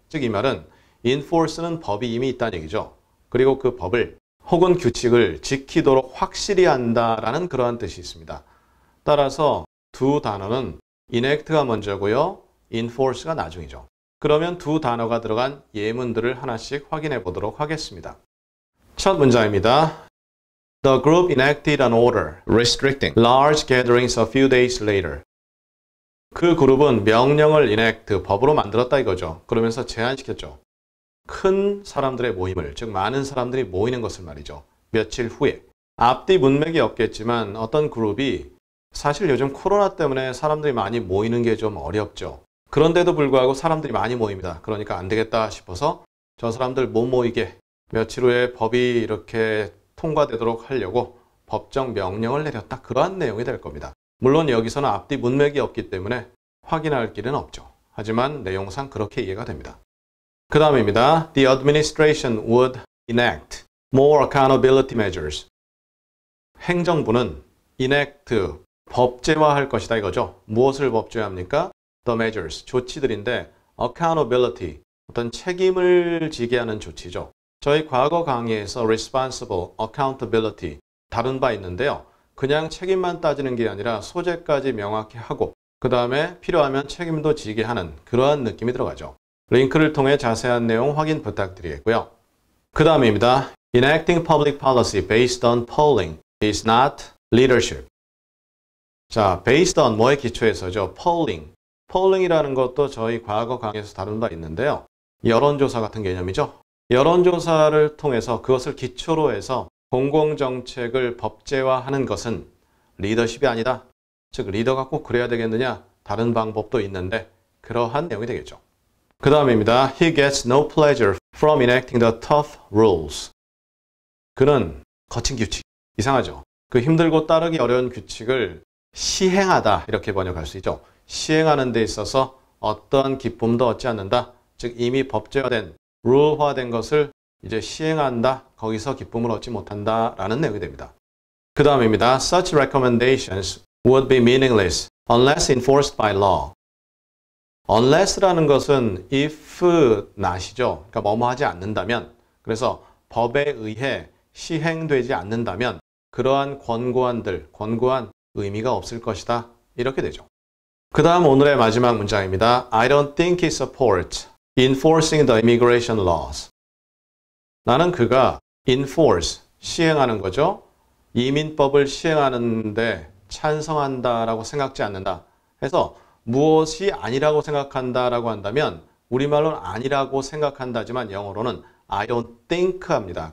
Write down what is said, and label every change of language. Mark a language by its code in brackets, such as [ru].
[ko] 즉 이 말은 enforce는 법이 이미 있다는 얘기죠. 그리고 그 법을 혹은 규칙을 지키도록 확실히 한다라는 그러한 뜻이 있습니다. 따라서 두 단어는 enact가 먼저고요. enforce가 나중이죠. 그러면 두 단어가 들어간 예문들을 하나씩 확인해 보도록 하겠습니다. 첫 문장입니다. [en] The group enacted an order restricting large gatherings a few days later. [ko] 그 그룹은 명령을 enact, 법으로 만들었다 이거죠. 그러면서 제한시켰죠. 큰 사람들의 모임을, 즉 많은 사람들이 모이는 것을 말이죠. 며칠 후에. 앞뒤 문맥이 없겠지만 어떤 그룹이 사실 요즘 코로나 때문에 사람들이 많이 모이는 게 좀 어렵죠. 그런데도 불구하고 사람들이 많이 모입니다. 그러니까 안 되겠다 싶어서 저 사람들 못 모이게 며칠 후에 법이 이렇게 통과되도록 하려고 법정 명령을 내렸다. 그러한 내용이 될 겁니다. 물론 여기서는 앞뒤 문맥이 없기 때문에 확인할 길은 없죠. 하지만 내용상 그렇게 이해가 됩니다. 그 다음입니다. [en] The administration would enact more accountability measures. [ko] 행정부는 enact, 법제화할 것이다 이거죠. 무엇을 법제화합니까? The measures, 조치들인데 accountability, 어떤 책임을 지게 하는 조치죠. 저희 과거 강의에서 responsible, accountability, 다룬 바 있는데요. 그냥 책임만 따지는 게 아니라 소재까지 명확히 하고 그 다음에 필요하면 책임도 지게 하는 그러한 느낌이 들어가죠. 링크를 통해 자세한 내용 확인 부탁드리겠고요. 그 다음입니다. [en] Enacting public policy based on polling is not leadership. [ko] 자, based on 뭐에 기초해서죠? [en] Polling. [ko] Polling이라는 것도 저희 과거 강의에서 다룬 바 있는데요. 여론조사 같은 개념이죠. 여론조사를 통해서 그것을 기초로 해서 공공정책을 법제화하는 것은 리더십이 아니다. 즉, 리더가 꼭 그래야 되겠느냐? 다른 방법도 있는데 그러한 내용이 되겠죠. 그 다음입니다. [en] He gets no pleasure from enacting the tough rules. [ko] 그는 거친 규칙. 이상하죠? 그 힘들고 따르기 어려운 규칙을 시행하다. 이렇게 번역할 수 있죠. 시행하는 데 있어서 어떠한 기쁨도 얻지 않는다. 즉, 이미 법제화된, 룰화된 것을 이제 시행한다. 거기서 기쁨을 얻지 못한다. 라는 내용이 됩니다. 그 다음입니다. [en] Such recommendations would be meaningless unless enforced by law. [ko] Unless라는 것은 [en] if not [ko] 이죠. 그러니까 뭐뭐 하지 않는다면, 그래서 법에 의해 시행되지 않는다면 그러한 권고안 의미가 없을 것이다. 이렇게 되죠. 그 다음 오늘의 마지막 문장입니다. [en] I don't think he supports enforcing the immigration laws. [ko] 나는 그가 enforce, 시행하는 거죠. 이민법을 시행하는데 찬성한다라고 생각지 않는다. 해서 무엇이 아니라고 생각한다라고 한다면 우리말로는 아니라고 생각한다지만 영어로는 [en] I don't think [ko] 합니다.